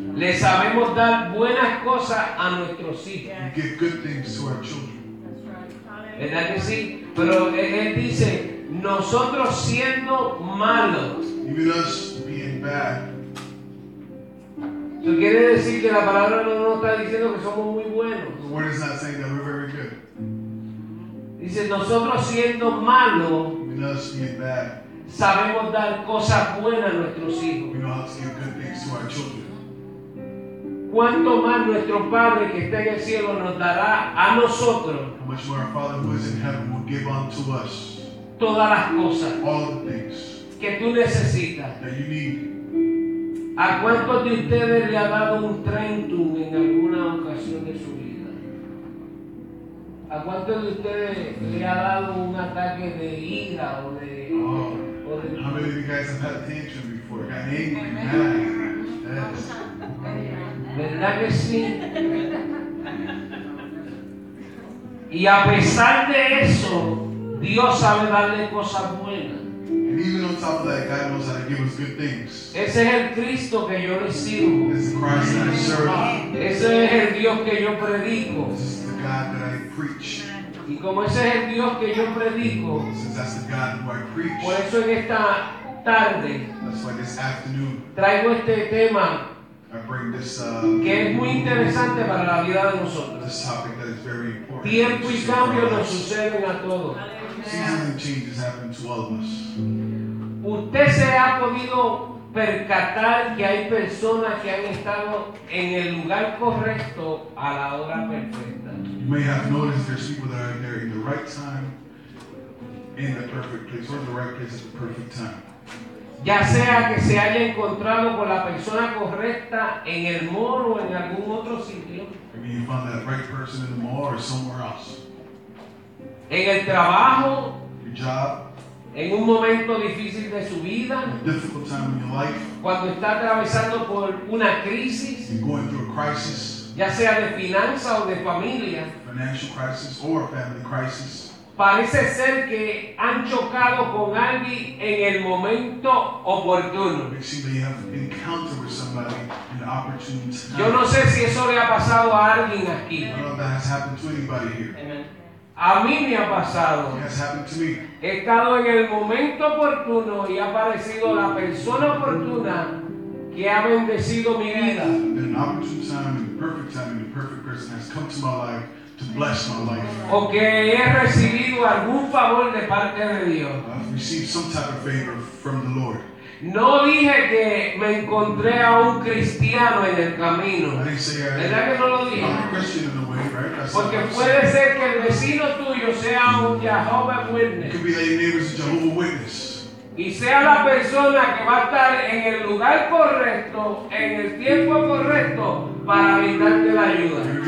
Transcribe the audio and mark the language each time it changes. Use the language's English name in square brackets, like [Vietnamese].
[Spanish] le sabemos dar buenas cosas a nuestros hijos. [English] We give good things to our children. [Spanish] ¿Verdad que sí? Pero él dice, nosotros siendo malos. [English] Even us being bad. [Spanish] ¿Tú quieres decir que la palabra no nos está diciendo que somos muy buenos? [English] The word is not saying that we're very good. [Spanish] Dice, nosotros siendo malos. [English] Even us being bad. [Spanish] Sabemos dar cosas buenas a nuestros hijos. [English] We know how to give good things to our children. [Spanish] ¿Cuánto más nuestro Padre que está en el cielo nos dará a nosotros? [English] How much more our Father who is in heaven will give unto us. [Spanish] Todas las cosas. [English] All the things. [Spanish] Que tú necesitas. [English] That you need. [Spanish] ¿A cuántos de ustedes le ha dado un trentum en alguna ocasión de su vida? ¿A cuántos de ustedes le ha dado un ataque de ira o de... [English] How many of you guys have had a tantrum before? Got angry, mad. Yes. [Spanish] ¿Verdad que sí? Y a pesar de eso, Dios sabe darle cosas buenas. [English] And even on top of that, God knows how to give us good things. [Spanish] Ese es el Cristo que yo recibo. [English] This is the Christ that I serve. [Spanish] Ese es el Dios que yo predico. [English] This is the God that I preach. [Spanish] Y como ese es el Dios que yo predico, [English] since that's the God who I preach, [Spanish] por eso en esta tarde, [English] that's why this afternoon, [Spanish] traigo este tema, [English] I bring this, [Spanish] que es muy interesante para la vida de nosotros. [English] This topic that is very important. [Spanish] Tiempo y cambio nos suceden a todos. [English] Season changes happen to all of us. [Spanish] Usted se ha podido percatar que hay personas que han estado en el lugar correcto a la hora perfecta. [English] You may have noticed there's people that are there in the right time, in the perfect place, or in the right place at the perfect time. [Spanish] Ya sea que se haya encontrado con la persona correcta en el mall o en algún otro sitio. [English] Maybe you found that right person in the mall or somewhere else. [Spanish] En el trabajo. [English] Your job. [Spanish] En un momento difícil de su vida. [English] A difficult time in your life. [Spanish] Cuando está atravesando por una crisis. [English] You're going through a crisis. [Spanish] Ya sea de finanza o de familia. [English] Financial crisis or family crisis. [Spanish] Parece ser que han chocado con alguien en el momento oportuno. [English] It seems they have encountered with somebody in an opportune time. [Spanish] Yo no sé si eso le ha pasado a alguien aquí. [English] I don't know if that has happened to anybody here. [Spanish] Amen. A mí me ha pasado. [English] It has happened to me. [Spanish] He estado en el momento oportuno y ha aparecido la persona oportuna que ha bendecido mi vida. [English] In an opportune time, in the perfect time, the perfect person has come to my life to bless my life. [Spanish] O que he recibido algún favor de parte de Dios. [English] I've received some type of favor from the Lord. [Spanish] No dije que me encontré a un cristiano en el camino. [English] I didn't say I, [Spanish] ¿verdad que no lo dije? [English] I'm a Christian in the way, right? [Spanish] That's porque puede ser que el vecino tuyo sea un Jehovah's Witness. [English] It could be that your neighbor is a Jehovah's Witness. [Spanish] Y sea la persona que va a estar en el lugar correcto, en el tiempo correcto, para brindarte la ayuda.